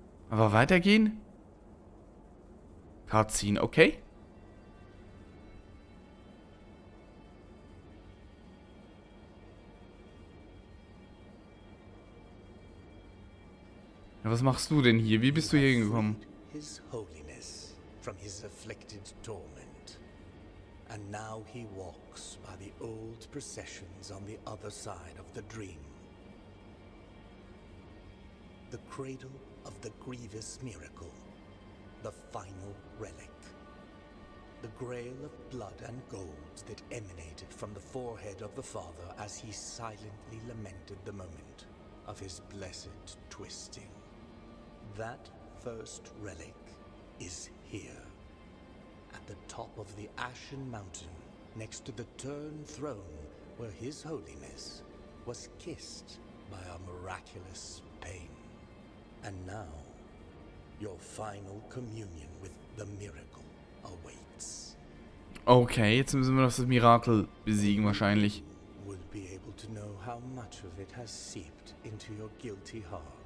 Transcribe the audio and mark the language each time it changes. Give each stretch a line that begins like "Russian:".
German: Aber weitergehen? Cutscene, okay. Was machst du denn hier? Wie bist du hier hingekommen?
English: His holiness from his afflicted torment. And now he walks by the old processions on the other side of the dream. The cradle of the grievous miracle. The final relic. The grail of blood and gold that emanated from the forehead of the father as he silently lamented the moment of his blessed twisting. That first relic is here, at the top of the Ashen Mountain, next to the Turn Throne, where His Holiness was kissed by a miraculous pain. And now, your final communion with the miracle awaits.
German: Okay, jetzt müssen wir das Mirakel besiegen, wahrscheinlich.
English: Would be able to know how much of it has seeped into your guilty heart.